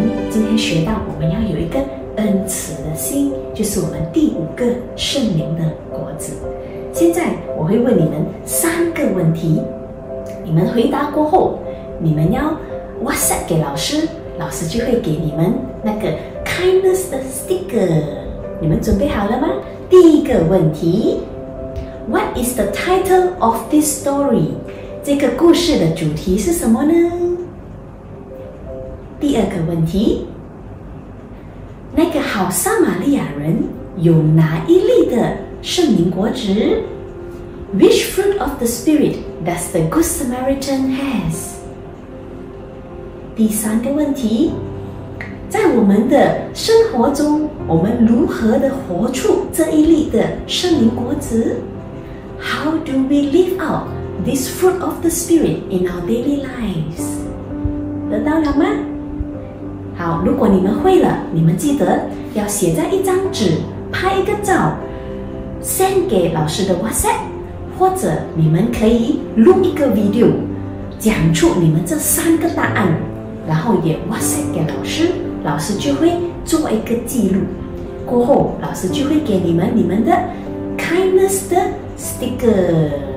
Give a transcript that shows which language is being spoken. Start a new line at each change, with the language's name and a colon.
Chinese: 今天学到我们要有一个恩慈的心，就是我们第五个圣灵的果子。现在我会问你们三个问题，你们回答过后，你们要 WhatsApp 给老师，老师就会给你们那个 kindness 的 sticker。你们准备好了吗？第一个问题，
English: What is the title of this story?
Chinese: 这个故事的主题是什么呢？第二个问题，那个好撒玛利亚人有哪一粒的圣灵果子？
English: Which fruit of the spirit does the good Samaritan has?
Chinese: 第三个问题，在我们的生活中，我们如何的活出这一粒的圣灵果子？
English: How do we live out this fruit of the spirit in our daily lives?
Chinese: 得到了吗？好，如果你们会了，你们记得要写在一张纸，拍一个照 send 给老师的 WhatsApp， 或者你们可以录一个 video， 讲出你们这三个答案，然后也 WhatsApp 给老师，老师就会做一个记录，过后老师就会给你们你们的 kindness 的 sticker。